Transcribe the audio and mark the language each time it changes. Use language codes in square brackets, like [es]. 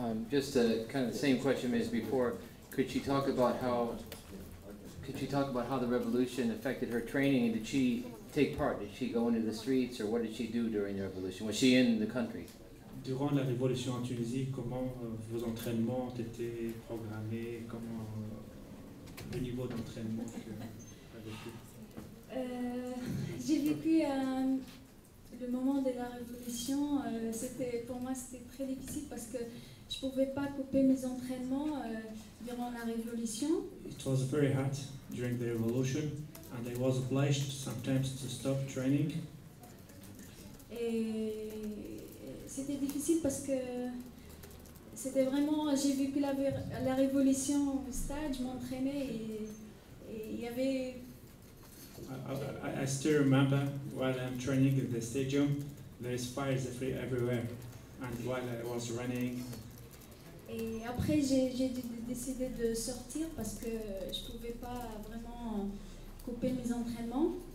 [en] Just a kind of the same question as before. Could she talk about how the revolution affected her training? Did she take part? Did she go into the streets, or what did she do during the revolution? Was she in the country? [fr] Durant la révolution en Tunisie, comment vos entraînements ont été programmés? Comment le niveau d'entraînement que J'ai vécu le moment de la révolution. C'était très difficile parce que je pouvais pas couper mes entraînements durant la révolution. [en] It was very hard during the revolution, and I was obliged sometimes to stop training. [fr] Et c'était difficile parce que c'était vraiment. J'ai vécu la révolution au stade. Je m'entraînais et il y avait. [en] I still remember while I'm training at the stadium, there is fires everywhere, and while I was running. [fr] Et après j'ai décidé de sortir parce que je pouvais pas vraiment couper mes entraînements.